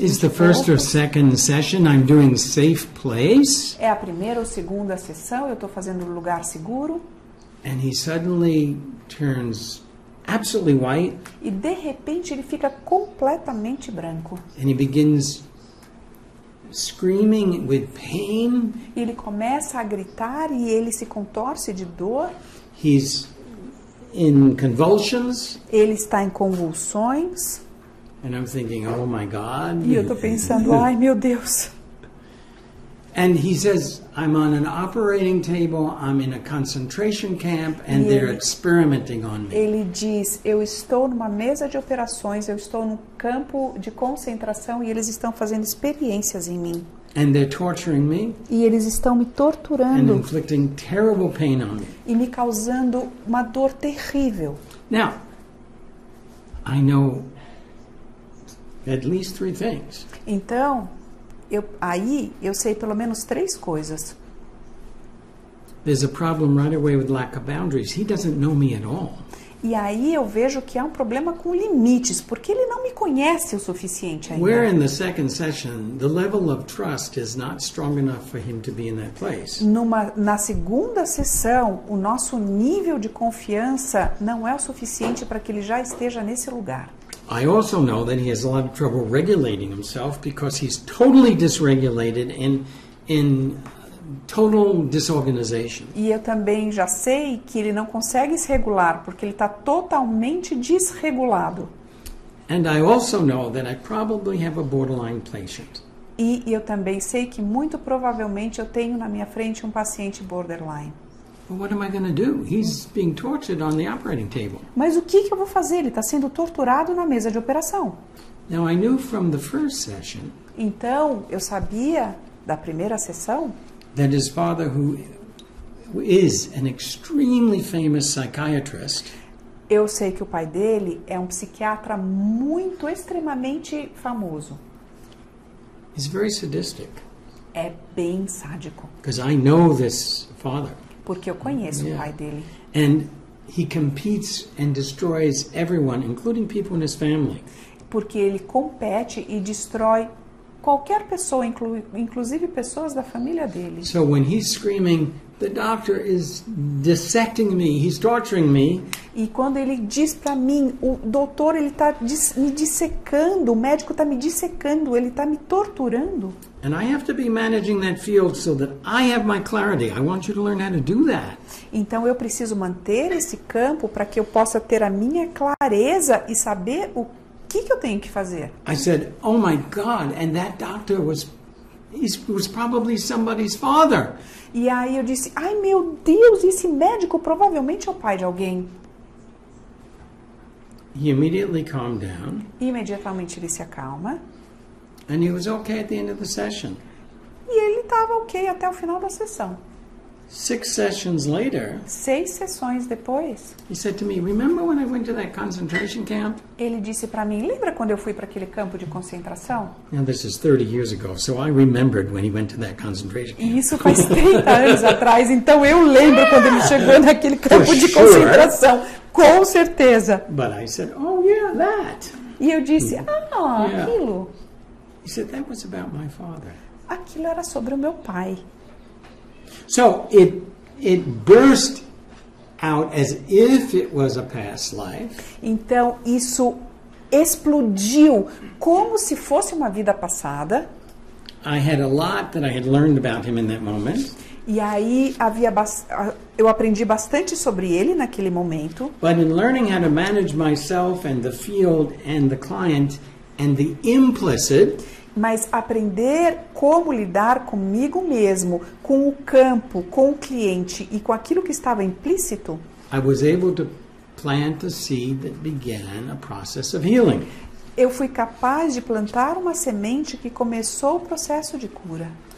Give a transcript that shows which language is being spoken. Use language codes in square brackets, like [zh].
[en] Is the first or second session I'm doing safe place? [pt] É a primeira ou segunda sessão, eu estou fazendo um lugar seguro. [en] And he suddenly turns absolutely white. [pt] E de repente ele fica completamente branco. [en] And he begins screaming with pain. [pt] Ele começa a gritar e ele se contorce de dor. [en] He's in convulsions. [pt] Ele está em convulsões. [en] And I'm thinking, oh my God. [pt] E eu estou pensando, ai meu Deus. [en] And he says, I'm on an operating table, I'm in a concentration camp, and ele, they're experimenting on me. [pt] Ele diz, eu estou numa mesa de operações, eu estou num campo de concentração e eles estão fazendo experiências em mim. [en] And they're torturing me. [pt] E eles estão me torturando. [en] And inflicting terrible pain on me. [pt] E me causando uma dor terrível. [en] Now, I know at least three things. [pt] Então, eu sei pelo menos três coisas. [en] There's a problem right away with lack of boundaries. He doesn't know me at all. [pt] E aí eu vejo que há um problema com limites, porque ele não me conhece o suficiente ainda. [en] Where in the second session, the level of trust is not strong enough for him to be in that place. [pt] Na segunda sessão, o nosso nível de confiança não é o suficiente para que ele já esteja nesse lugar. [en] I also know that he has a lot of trouble regulating himself because he's totally dysregulated in total disorganization. [pt] E eu também já sei que ele não consegue se regular porque ele está totalmente desregulado. [en] And I also know that I probably have a borderline patient. [pt] E eu também sei que muito provavelmente eu tenho na minha frente um paciente borderline. [en] But what am I going to do? He's being tortured on the operating table. [pt] Mas o que eu vou fazer? Ele está sendo torturado na mesa de operação. [en] Now I knew from the first session. [pt] Então eu sabia da primeira sessão. [en] That his father, who is an extremely famous psychiatrist. [pt] Eu sei que o pai dele é um psiquiatra muito extremamente famoso. [en] He's very sadistic. [pt] É bem sádico. [en] Because I know this father. [pt] Porque eu conheço o pai dele. [en] And he competes and destroys everyone, including people in his family. [pt] Porque ele compete e destrói qualquer pessoa, inclusive pessoas da família dele. [en] So when he's screaming, the doctor is dissecting me, he's torturing me. [pt] E quando ele diz para mim, o doutor ele está me dissecando, o médico está me dissecando, ele está me torturando. [en] And I have to be managing that field so that I have my clarity. I want you to learn how to do that. [pt] Então eu preciso manter esse campo para que eu possa ter a minha clareza e saber o que eu tenho que fazer. [en] I said, oh my God, and that doctor was was probably somebody's father. [pt] E aí eu disse, ai meu Deus, esse médico provavelmente é o pai de alguém. [en] He immediately calmed down. [pt] Imediatamente ele se acalma. [en] And he was okay at the end of the session. [pt] E ele estava ok até o final da sessão. [en] 6 sessions later. [pt] 6 sessões depois. [en] He said to me, "Remember when I went to that concentration camp?" [pt] Ele disse para mim, lembra quando eu fui para aquele campo de concentração? [en] Now this is 30 years ago, so I remembered when he went to that concentration camp. [pt] Isso faz 30 anos atrás, então eu lembro quando ele chegou naquele campo [en] for [pt] concentração, com certeza. [en] But I said, "Oh yeah, that." [pt] E eu disse, ah, yeah. aquilo. [en] He said that was about my father. [pt] Aquilo era sobre o meu pai. [en] So it burst out as if it was a past life. [pt] Então isso explodiu como se fosse uma vida passada. [en] I had a lot that I had learned about him in that moment. [pt] E aí havia eu aprendi bastante sobre ele naquele momento. [en] But in learning how to manage myself and the field and the client and the implicit. [pt] Mas aprender como lidar comigo mesmo, com o campo, com o cliente e com aquilo que estava implícito. [en] I was able to plant a seed that began a process of healing. [pt] Eu fui capaz de plantar uma semente que começou o processo de cura.